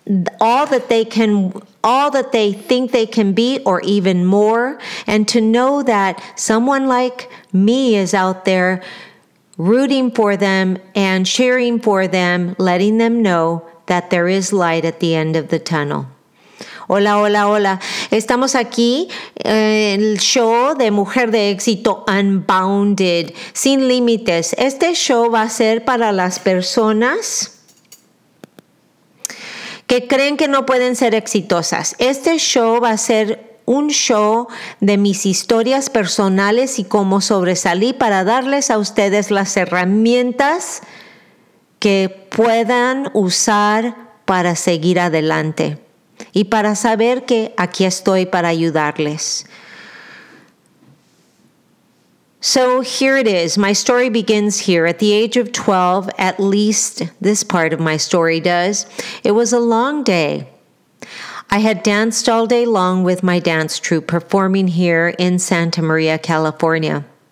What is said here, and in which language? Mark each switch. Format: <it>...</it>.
<en>all that they think they can be or even more, and to know that someone like me is out there rooting for them and cheering for them, letting them know that there is light at the end of the tunnel.</en> <es>Hola, hola, hola. Estamos aquí en el show de Mujer de Éxito Unbounded, Sin Límites. Este show va a ser para las personas que creen que no pueden ser exitosas. Este show va a ser un show de mis historias personales y cómo sobresalí para darles a ustedes las herramientas que puedan usar para seguir adelante y para saber que aquí estoy para ayudarles.</es> <en>So here it is. My story begins here at the age of 12, at least this part of my story does. It was a long day. I had danced all day long with my dance troupe performing here in Santa Maria, California.</en>